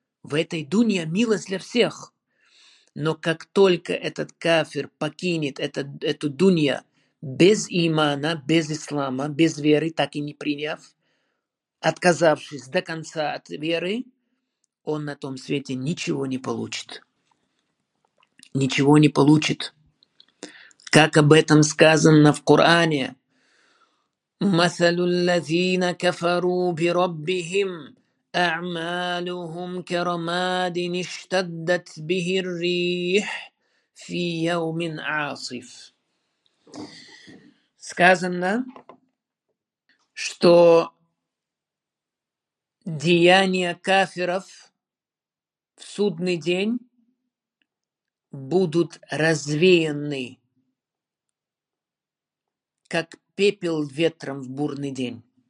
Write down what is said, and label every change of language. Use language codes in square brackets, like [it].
[ru] В этой дунья милость для всех. Но как только этот кафир покинет эту дунья без имана, без ислама, без веры, так и не приняв, отказавшись до конца от веры, он на том свете ничего не получит. Ничего не получит. Как об этом сказано в Коране. [ar] «Масалю лазина кафару би раббихим». أعمالهم كرماد اشتدت به الريح في يوم عاصف. [ru] Сказано, что деяния кафиров в судный день будут развеяны, как пепел ветром в бурный день.